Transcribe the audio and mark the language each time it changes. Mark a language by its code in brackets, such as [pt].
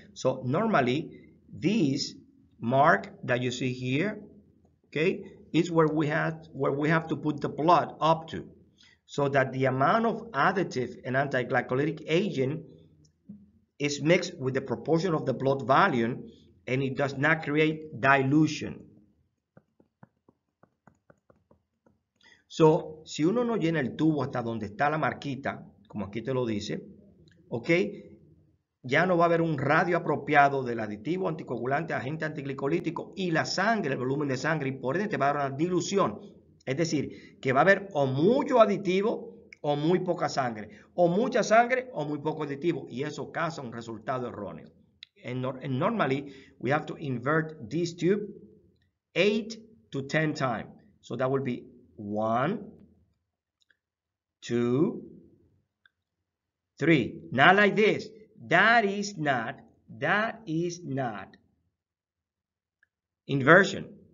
[en] So normally, this mark that you see here, okay, is where we have to put the blood up to so that the amount of additive and anti-glycolytic agent is mixed with the proportion of the blood volume and it does not create dilution. [es] So, si uno no llena el tubo hasta donde está la marquita, como aquí te lo dice, ok, ya no va a haber un radio apropiado del aditivo anticoagulante, agente antiglicolítico y la sangre, el volumen de sangre, y por ende te va a dar una dilución. Es decir, que va a haber o mucho aditivo o muy poca sangre, o mucha sangre o muy poco aditivo, y eso causa un resultado erróneo. [en] And normally, we have to invert this tube 8 to 10 times. So, that will be 1, 2, 3. Not like this. That is not inversion.